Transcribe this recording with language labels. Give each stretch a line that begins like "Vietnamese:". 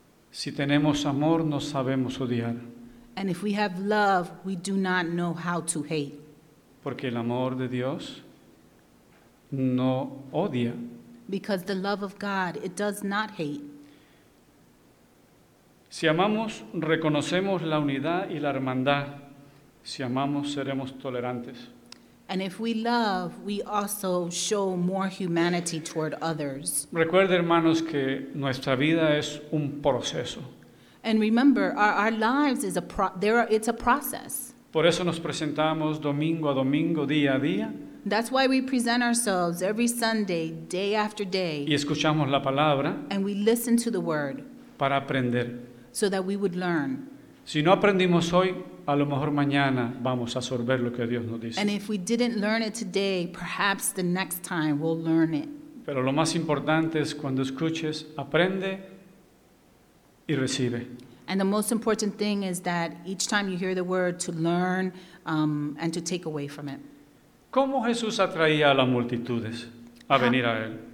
Spanish: Si tenemos amor, no sabemos odiar.
English: And if we have love, we do not know how to hate.
Spanish: Porque el amor de Dios no odia.
English: Because the love of God, it does not hate.
Spanish: Si amamos, reconocemos la unidad y la hermandad. Si amamos, seremos tolerantes.
English: And if we love, we also show more humanity toward others.
Spanish: Recuerde, hermanos, que nuestra vida es un proceso.
English: And remember, our lives is it's a process.
Spanish: Por eso nos presentamos domingo a domingo, día a día.
English: That's why we present ourselves every Sunday, day after day.
Spanish: Y escuchamos la palabra.
English: And we listen to the word.
Spanish: Para aprender.
English: So that we would learn.
Spanish: Si no aprendimos hoy, a lo mejor mañana vamos a absorber lo que Dios nos dice.
English: And if we didn't learn it today, perhaps the next time we'll learn it.
Spanish: Pero lo más importante es cuando escuches, aprende y recibe.
English: And the most important thing is that each time you hear the word, to learn and to take away from it.
Spanish: ¿Cómo Jesús atraía a las multitudes a venir a él?